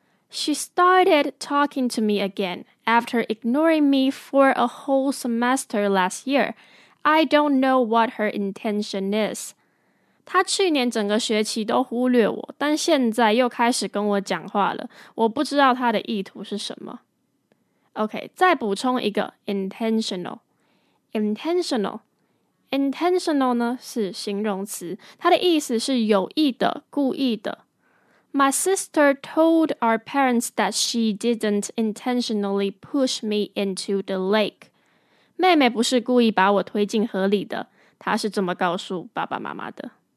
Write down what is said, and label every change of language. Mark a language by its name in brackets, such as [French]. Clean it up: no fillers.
[English] She started talking to me againAfter ignoring me for a whole semester last year, I don't know what her intention is. [Chinese] 她去年整个学期都忽略我，但现在又开始跟我讲话了，我不知道她的意图是什么。 OK， 再补充一个 intentional. Intentional. Intentional 呢，是形容词，它的意思是有意的、故意的。 [English] My sister told our parents that she didn't intentionally push me into the lake. [Chinese] 妹妹不是故意把我推进河里的，她是这么告诉爸爸妈妈的。